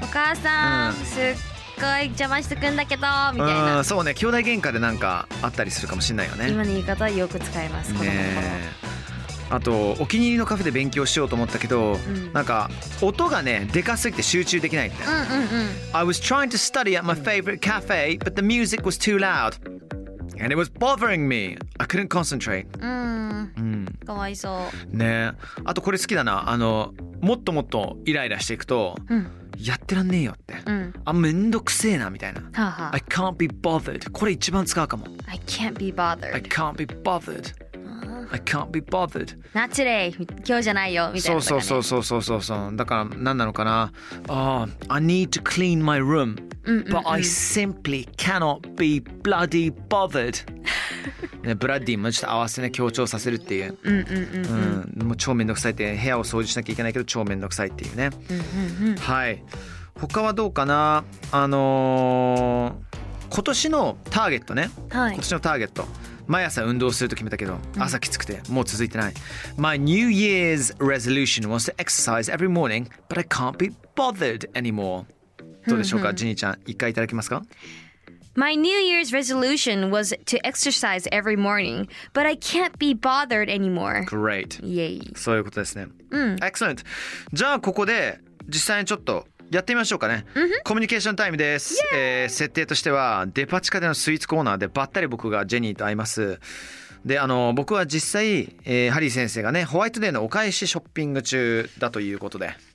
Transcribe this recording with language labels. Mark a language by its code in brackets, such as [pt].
[ja] お母さん、すっすごい邪魔してくんだけどみたいな。そうね、兄弟喧嘩でなんかあったりするかもしれないよね。今の言い方はよく使います、子供の頃。あとお気に入りのカフェで勉強しようと思ったけど、なんか音がね、でかすぎて集中できないって。 [en] I was trying to study at my favorite cafe, but the music was too loud and it was bothering me. I couldn't concentrate. [ja] かわいそう。ね、あとこれ好きだな。あの、もっともっとイライラしていくと、やってらんねえよって、あ、めんどくせえなみたいな、 [en] I can't be bothered、 [ja] これ一番使うかも。 [en] I can't be bothered、 I can't be bothered、 I can't be bothered、 Not today、 [ja] 今日じゃないよみたいな。そうそうそうそうそうそう、だから何なのかな、 [en] I need to clean my room、 but I simply cannot be bloody bothered。 [ja] ね、ブラディもちょっと合わせて、ね、強調させるっていう、もう超めんどくさいって、部屋を掃除しなきゃいけないけど超めんどくさいっていうね。はい、他はどうかな。今年のターゲットね、はい、今年のターゲット毎朝運動すると決めたけど、朝きつくてもう続いてない。 [en] My New Year's resolution was to exercise every morning, but I can't be bothered anymore. [ja] どうでしょうか、ジニーちゃん、一回いただけますか？ [en] My New Year's resolution was to exercise every morning, but I can't be bothered anymore. Great. Yay. [ja] そういうことですね。Excellent. じゃあここで実際にちょっとやってみましょうかね。コミュニケーションタイムです。設定としてはデパ地下でのスイーツコーナーでばったり僕がジェニーと会います。で、僕は実際、ハリー先生がね、ホワイトデーのお返しショッピング中だということで。